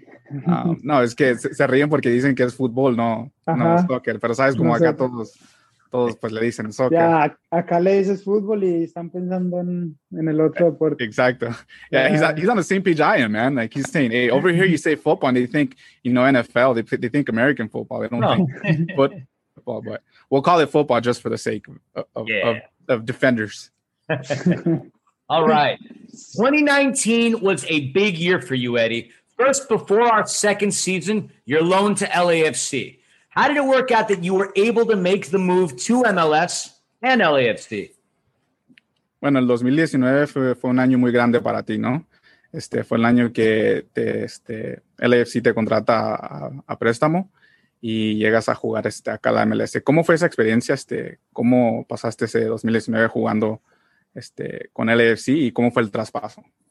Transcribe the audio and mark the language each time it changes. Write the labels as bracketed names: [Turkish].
[Spanish] No, es que se ríen porque dicen que es fútbol, no, ajá, no es soccer, pero sabes como no acá sé. todos pues le dicen soccer. Ya, acá le dices fútbol y están pensando en el otro deporte. Exacto. [English] Yeah, he's on the same page I am, man. Like he's saying, hey, over here you say football and they think, you know, NFL, they think American football, they don't think football, but we'll call it football just for the sake of defenders. All right. 2019 was a big year for you, Eddie. First, before our second season, you're loaned to LAFC. How did it work out that you were able to make the move to MLS and LAFC? [Spanish] Bueno, el 2019 fue un año muy grande para ti, ¿no? Fue el año que LAFC te contrata a préstamo y llegas a jugar acá a la MLS. ¿Cómo fue esa experiencia? ¿Cómo pasaste ese 2019 jugando con LAFC y cómo fue el traspaso?